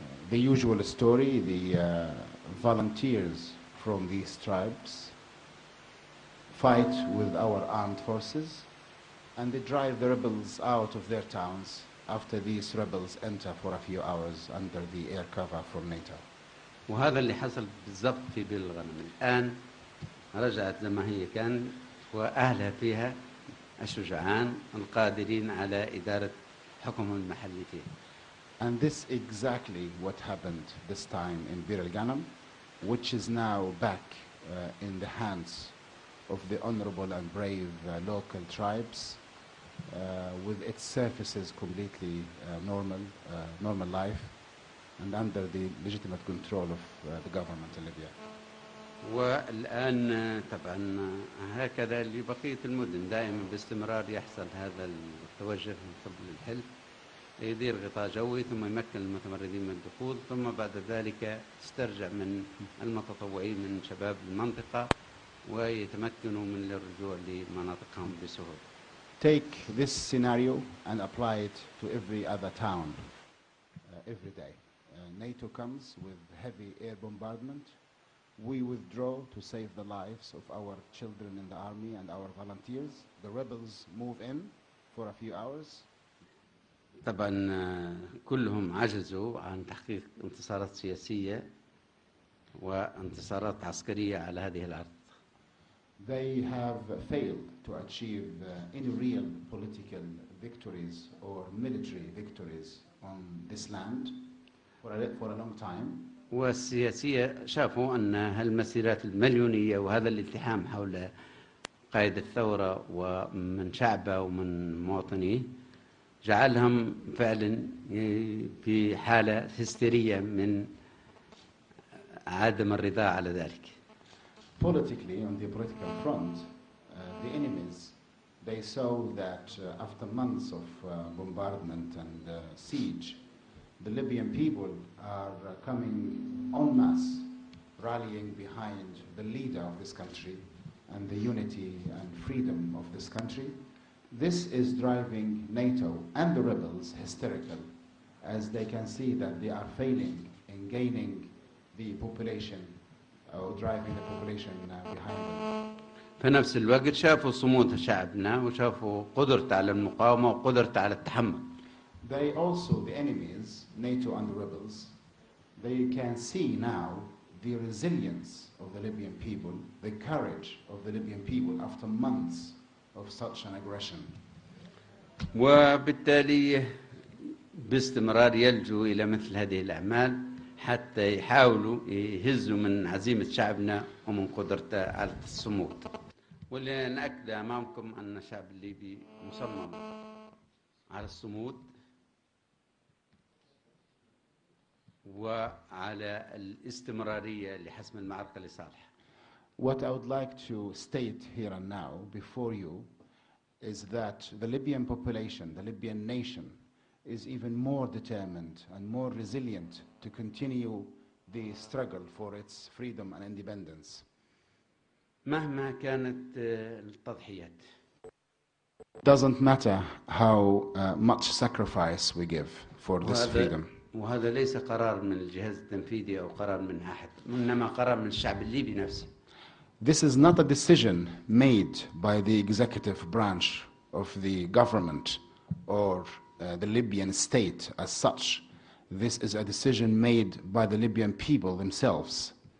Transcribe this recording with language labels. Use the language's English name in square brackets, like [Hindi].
[English] The usual story, the volunteers from these tribes fight with our armed forces and they drive the rebels out of their towns after these rebels enter for a few hours under the air cover from NATO. [Arabic] وهذا اللي حصل بالضبط في بئر الغنم. الآن رجعت زي ما هي كان وأهلها فيها الشجعان القادرين على إدارة حكم المحلي فيها. [English] And this exactly what happened this time in Bir al-Ghanam, which is now back in the hands of the honorable and brave local tribes with its surfaces completely normal life and under the legitimate control of the government in Libya. [Arabic] والآن طبعا هكذا لبقية المدن دائما باستمرار يحصل هذا التوجه من قبل الحلف يدير غطاء جوي ثم يمكن المتمردين من الدخول ثم بعد ذلك تسترجع من المتطوعين من شباب المنطقة ويتمكنوا من الرجوع لمناطقهم بسهولة. [English] Take this scenario and apply it to every other town every day. NATO comes with heavy air bombardment. We withdraw to save the lives of our children in the army and our volunteers. The rebels move in for a few hours. [Arabic] طبعا كلهم عجزوا عن تحقيق انتصارات سياسية وانتصارات عسكرية على هذه الأرض. [English] They have failed to achieve any real political victories or military victories on this land for a long time. [Arabic] والسياسية شافوا أن هالمسيرات المليونية وهذا الالتحام حول قائد الثورة ومن شعبه ومن مواطنيه جعلهم فعلا في حالة هستيرية من عدم الرضا على ذلك. [English] Politically, on the political front, the enemies, they saw that after months of bombardment and siege, the Libyan people are coming en masse, rallying behind the leader of this country and the unity and freedom of this country. This is driving NATO and the rebels hysterical as they can see that they are failing in gaining the population or driving the population behind them. [Arabic] في نفس الوقت شافوا صمود شعبنا وشافوا قدرته على المقاومة وقدرته على التحمل. [English] They also, the enemies, NATO and the rebels, they can see now the resilience of the Libyan people, the courage of the Libyan people after months of such an aggression. [Arabic] وبالتالي باستمرار يلجوا إلى مثل هذه الأعمال حتى يحاولوا يهزوا من عزيمة شعبنا ومن قدرته على الصمود. ولنأكد أمامكم أن الشعب الليبي مصمم على الصمود وعلى الاستمرارية لحسم المعركة لصالح. [English] What I would like to state here and now before you is that the Libyan population, the Libyan nation, is even more determined and more resilient to continue the struggle for its freedom and independence. [Arabic] مهما كانت التضحيات. [English] Doesn't matter how much sacrifice we give for this freedom. [Arabic] وهذا ليس قرار من الجهاز التنفيذي أو قرار من أحد، إنما قرار من الشعب الليبي نفسه. [English] This is not a decision made by the executive branch of the government or the Libyan state as such. This is a decision made by the Libyan people themselves.